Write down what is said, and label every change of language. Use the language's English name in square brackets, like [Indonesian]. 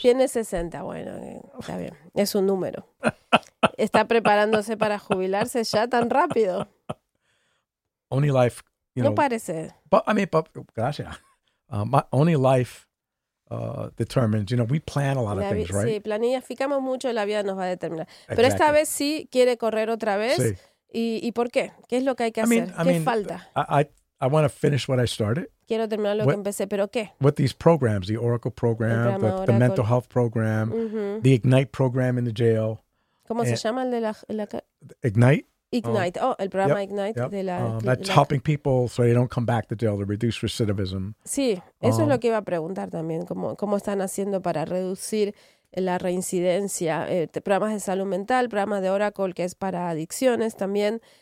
[Spanish] Tiene 60, bueno, está bien. Es un número. Está preparándose para jubilarse ya tan rápido. [English] Only life, you [Spanish] no [English] know, [Spanish] parece. [English] But, I mean, but, [Spanish] gracias. [English] Only life determines, you know, we plan a lot of things, right? [Spanish] Sí, planificamos mucho y la vida nos va a determinar. [English] Exactly. [Spanish] Pero esta vez sí quiere correr otra vez. Sí. ¿Y por qué? ¿Qué es lo que hay que hacer? ¿Qué falta? [English] I want to finish what I started. [Spanish] Quiero terminar lo que empecé, ¿pero qué? [English] With these programs, the Oracle program, the mental health program, mm-hmm. the Ignite program in the jail. [Spanish] ¿Cómo se llama el de la... Ignite? Ignite. Oh, el programa Ignite. Yep. De la, [English] that's helping people so they don't come back to jail to reduce recidivism. [Spanish] Sí, eso es lo que iba a preguntar también. ¿Cómo están haciendo para reducir la reincidencia? Programas de salud mental, programa de Oracle que es para adicciones también.